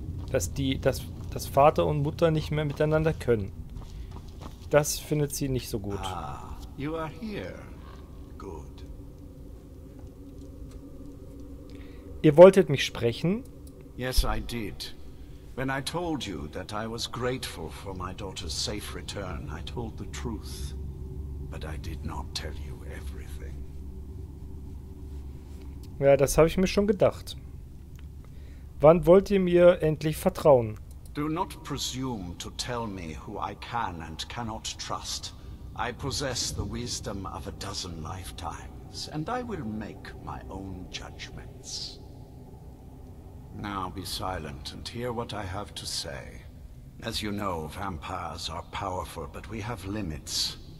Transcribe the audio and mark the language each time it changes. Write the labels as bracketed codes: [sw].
[de] Dass Vater und Mutter nicht mehr miteinander können. Das findet sie nicht so gut. [en] Ah, you are here. Good. [de] Ihr wolltet mich sprechen? [en] Yes, I did. When I told you that I was grateful for my daughter's safe return, I told the truth. but I did not tell you everything. [de] Ja, das habe ich mir schon gedacht. Wann wollt ihr mir endlich vertrauen? [en] Do not presume to tell me who I can and cannot trust. I possess the wisdom of a dozen lifetimes, and I will make my own judgments. Now be silent and hear what I have to say. As you know, vampires are powerful, but we have limits.